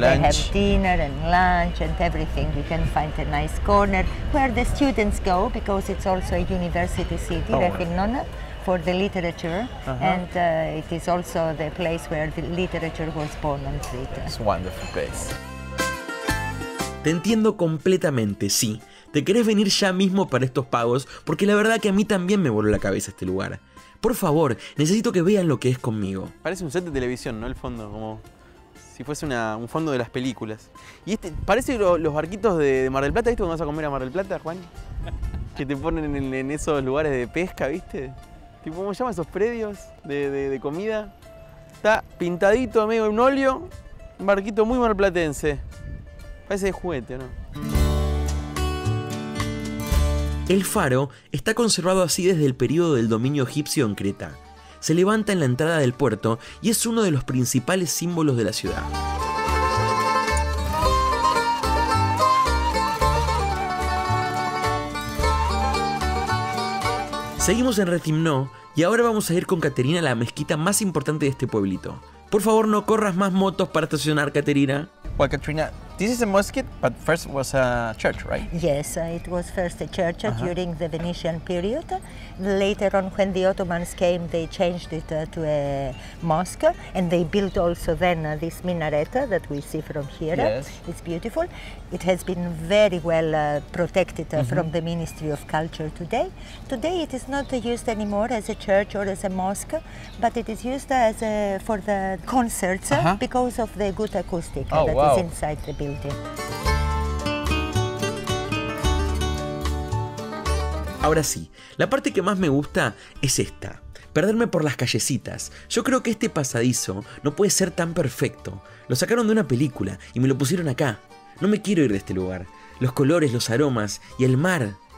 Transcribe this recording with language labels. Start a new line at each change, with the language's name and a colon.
English: They have dinner and lunch and everything. You can find a nice corner where the students go, because it's also a university city, Rethymnon. For the literature, uh-huh. and it is also the place where the literature was born on Crete. It's a wonderful place.
Spanish: Te entiendo completamente, sí. Te querés venir ya mismo para estos pagos, porque la verdad que a mí también me voló la cabeza este lugar. Por favor, necesito que vean lo que es conmigo. Parece un set de televisión, ¿no? El fondo, como si fuese un fondo de las películas. Y este, parece los barquitos de Mar del Plata, ¿viste cuando vas a comer a Mar del Plata, Juan? Que te ponen en esos lugares de pesca, ¿viste? Tipo, ¿cómo se llaman esos predios de comida? Está pintadito, amigo, en óleo. Un barquito muy marplatense. Parece de juguete, ¿no? El faro está conservado así desde el periodo del dominio egipcio en Creta. Se levanta en la entrada del puerto y es uno de los principales símbolos de la ciudad. Seguimos en Retimnó y ahora vamos a ir con Caterina a la mezquita más importante de este pueblito. Por favor, no corras más motos para estacionar, Caterina.
English: Well, Caterina, This is a mosque, but first was a church, right? Yes, it was first a church during the Venetian period. Later on, when the Ottomans came, they changed it to a mosque, and they built also then this minaret that we see from here. Yes. It's beautiful. It has been very well protected from the Ministry of Culture today. Today it is not used anymore as a church or as a mosque, but it is used as a, for the concerts because of the good acoustic is inside the building.
Spanish: Ahora sí, la parte que más me gusta es esta. Perderme por las callecitas. Yo creo que este pasadizo no puede ser tan perfecto. Lo sacaron de una película y me lo pusieron acá. No me quiero ir de este lugar. Los colores, los aromas y el mar.